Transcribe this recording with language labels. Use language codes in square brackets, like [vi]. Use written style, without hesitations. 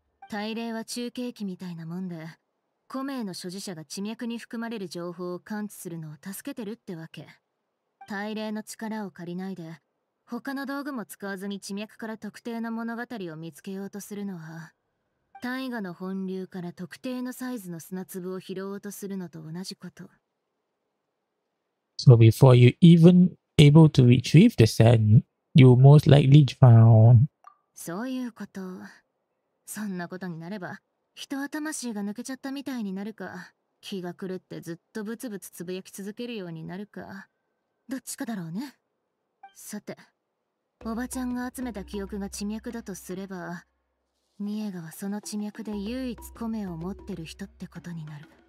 [ja] 大霊は中継機みたいなもんで、コメイの所持者が地脈に含まれる情報を感知するのを助けてるってわけ。大霊の力を借りないで、他の道具も使わずに地脈から特定の物語を見つけようとするのは、大河の本流から特定のサイズの砂粒を拾おうとするのと同じこと。 [en] So before you even able to retrieve the sand, you most likely drown. [ja] そういうこと。そんなことになれば、人は魂が抜けちゃったみたいになるか、気が狂ってずっとブツブツつぶやき続けるようになるか、どっちかだろうね。さて、おばちゃんが集めた記憶が地脈だとすれば、ニエガはその地脈で唯一コメを持ってる人ってことになる。